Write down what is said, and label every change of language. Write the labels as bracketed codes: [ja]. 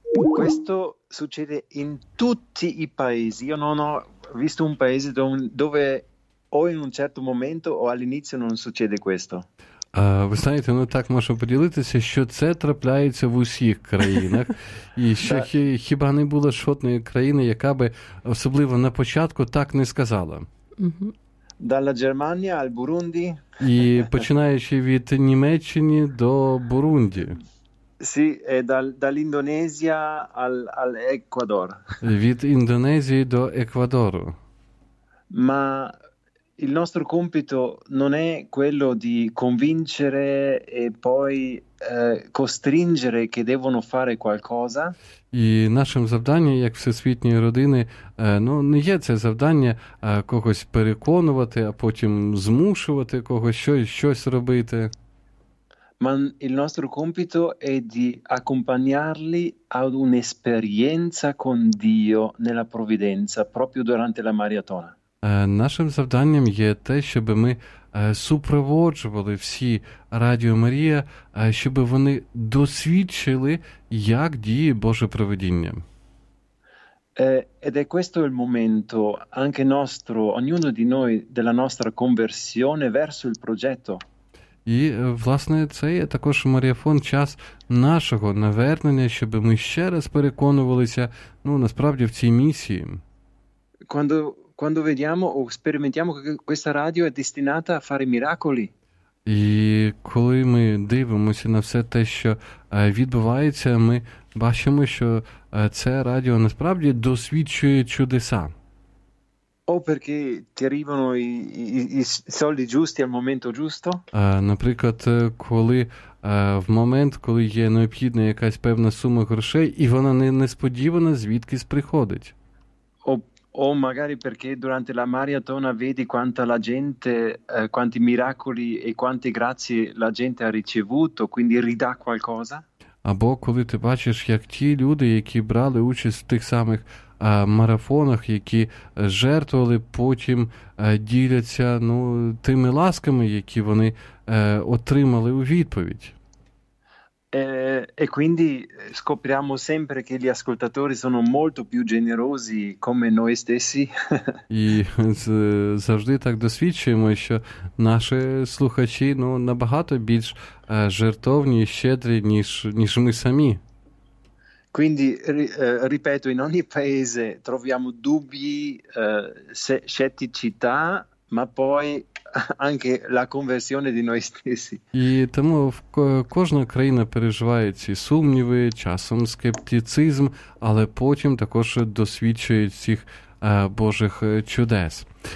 [it] Questo succede in tutti i paesi. Io non ho visto un paese dove o in un certo momento o all'inizio non succede questo. [uk] Ви знаєте, так можу поділитися, що це трапляється в усіх країнах. І ще хіба не було жодної країни, яка би особливо на початку так не сказала. [it] Dalla Germania al Burundi. [uk] І починаючи від Німеччини до Бурунді. [it] Sì, e dall'Indonesia al Ecuador. [uk] Від Індонезії до Еквадору. [it] Ma... Il nostro compito non è quello di convincere e poi costringere che devono fare qualcosa. [uk] І нашим завданням, як всесвітньої родини, не є це завдання когось переконувати, а потім змушувати когось щось робити. [it] Ma il nostro compito è di accompagnarli ad un'esperienza con Dio nella provvidenza proprio durante la maratona. [uk] Нашим завданням є те, щоб ми супроводжували всі Радіо Марія, щоб вони досвідчили, як діє Боже провидіння. [it] Ed è questo il momento anche nostro, ognuno di noi, della nostra conversione verso il progetto. [uk] І, власне, це є також Маріафон, час нашого навернення, щоб ми ще раз переконувалися, насправді, в цій місії. [it] Quando vediamo o sperimentiamo che questa radio è destinata a fare miracoli. [uk] І коли ми дивимося на все те, що відбувається, ми бачимо, що це радіо насправді досвідчує чудеса. [it] O perché ti arrivano i soldi giusti al momento giusto? [uk] Наприклад, коли в момент, коли є необхідна якась певна сума грошей, і вона несподівано звідкись приходить. [it] O magari perché durante la maratona vedi quanta la gente, quanti miracoli e quante grazie la gente ha ricevuto, quindi ridà qualcosa? [uk] Або коли ти бачиш, як ті люди, які брали участь в тих самих марафонах, які жертвували, потім діляться тими ласками, які вони отримали у відповідь. [it] E quindi scopriamo sempre che gli ascoltatori sono molto più generosi come noi stessi. [uk] І завжди так досвідчуємо, що наші слухачі набагато більш жертовні і щедрі, ніж ми самі. [it] Quindi, ripeto, in ogni paese troviamo dubbi, scetticità, ma poi... anche la conversione di noi stessi. [uk] І тому кожна країна переживає ці сумніви, часом скептицизм, але потім також досвідчує цих Божих чудес.